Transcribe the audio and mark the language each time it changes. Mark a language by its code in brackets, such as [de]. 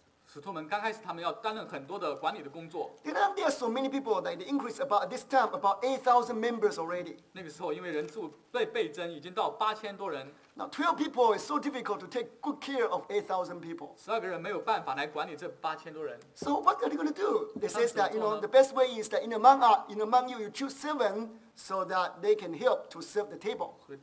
[zh] 使徒们刚开始他们要担任很多的管理的工作。 [en] Then there are so many people that they increase about this time, about 8,000 members already. [zh] 那个时候因为人数被倍增已经到8,000多人。 [en] Now 12 people is so difficult to take good care of 8,000 people. [zh] 12个人没有办法来管理这8,000多人。 [en] So what are they going to do? They say that, you know, the best way is that in among you, you choose 7, so that they can help to serve the table.